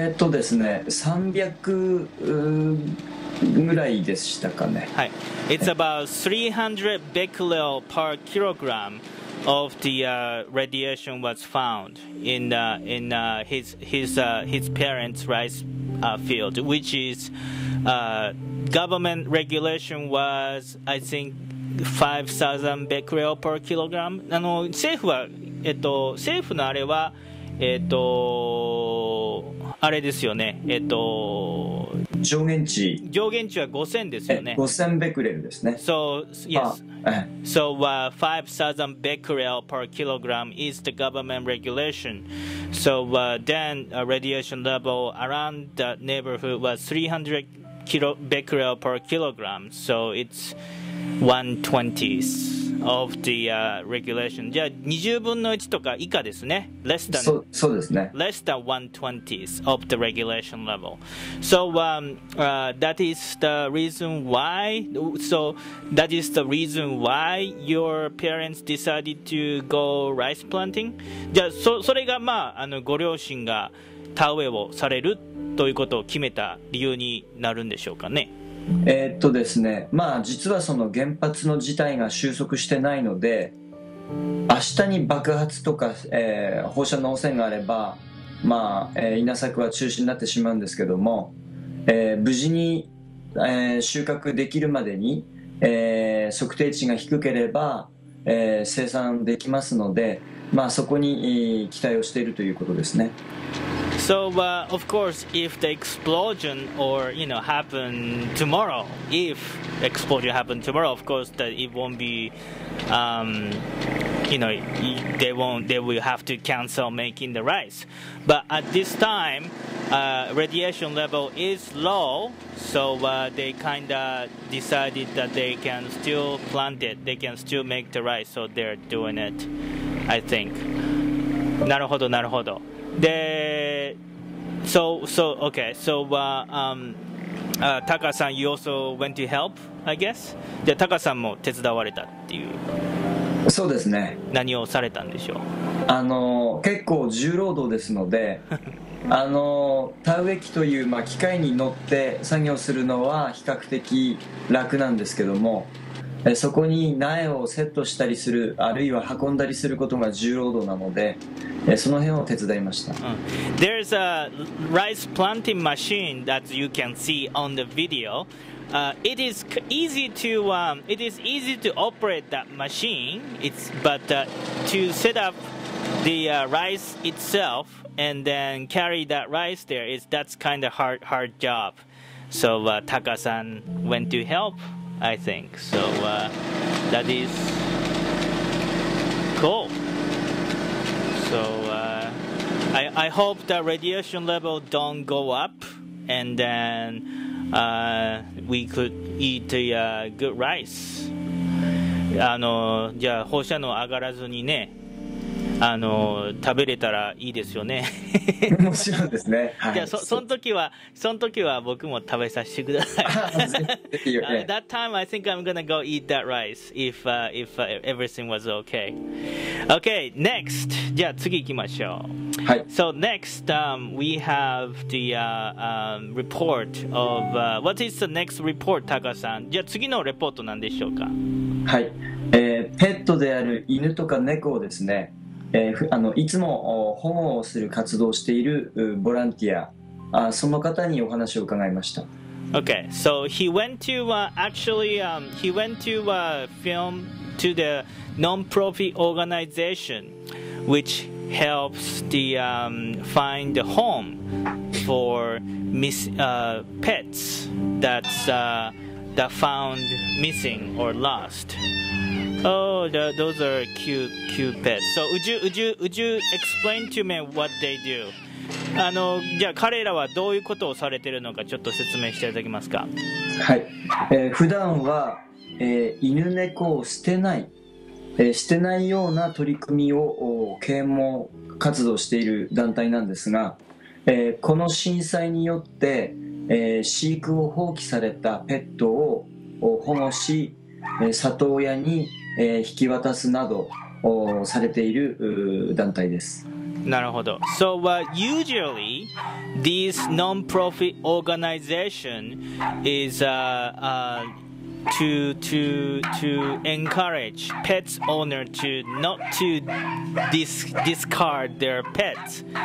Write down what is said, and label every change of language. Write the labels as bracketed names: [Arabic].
[Japanese] ですね、300ぐらいでしたかね。はい。 [English] It's about 300 becquerel per kilogram of the radiation was found in his parents' rice field, which is government regulation was I think 5,000 becquerel per kilogram. [Japanese] 政府は政府のあれは。あれですよね、上限値は5000ですよね。 5000ベクレルですね。 [English] So yes. So 5000 becquerel per kilogram is the government regulation. So then a radiation level around the neighborhood was 300 becquerel per kilogram. So it's 1/20th of the regulation. [Japanese] じゃあ20分の1とか以下ですね。 [English] Less than [Japanese] そうですね。 [English] Less than 1/20th of the regulation level. So that is the reason why. So that is the reason why your parents decided to go rice planting. [Japanese] じゃあそれがまあご両親が田植えをされるということを決めた理由になるんでしょうかね。ですね、まあ、実はその原発の事態が収束してないので、明日に爆発とか、放射能汚染があれば、まあ稲作は中止になってしまうんですけども、無事に、収穫できるまでに、測定値が低ければ、生産できますので、まあ、そこに期待をしているということですね。 [English] So, of course, if the explosion or, you know, happen tomorrow, if explosion happen tomorrow, of course, that it won't be, they will have to cancel making the rice. But at this time, radiation level is low, so they kind of decided that they can still plant it, they can still make the rice, so they're doing it, I think. [Japanese] なるほど、なるほど。で、 [English] So okay. So Taka-san, you also went to help, I guess. [Japanese] で、Taka-san も手伝われたっていう。そうですね。何をされたんでしょう。結構重労働ですので、田植え機という、まあ、機械に乗って作業するのは比較的楽なんですけども、そこに苗をセットしたりする、あるいは運んだりすることが重労働なので。その辺を手伝いました。 [English] There's a rice planting machine that you can see on the video. It is easy to operate that machine. It's but to set up the rice itself and then carry that rice there. That's kind of hard job. So Taka-san went to help, I think. So that is cool. So I hope the radiation level don't go up, and then we could eat the good rice. [Japanese] じゃあ放射能上がらずにね、食べれたらいいですよね。もちろんですね。はい、じゃあその時は僕も食べさせてください。 [English] that time I think I'm gonna go eat that rice if everything was okay. Okay, next. [Japanese] じゃあ次行きましょう。はい。 [English] So next, we have the report of what is the next report, Taka-san? [Japanese] じゃあ次のレポートなんでしょうか。はい。ペットである犬とか猫をですね。いつも保護をする活動をしているボランティア、その方にお話を伺いました。 [English] Okay, so he went to he went to a film to the non-profit organization which helps the find a home for pets that's that found missing or lost. Oh, those are cute pets. So, would you explain to me what they do? [Japanese] じゃあ彼らはどういうことをされているのかちょっと説明していただけますか。はい。普段は、犬猫を捨てないような取り組みを啓蒙活動している団体なんですが、この震災によって、飼育を放棄されたペットを保護し、里親に引き渡すなどをされている団体です。なるほど。 [English] So, usually, this non-profit organization is to encourage pets owner to not to discard their pets.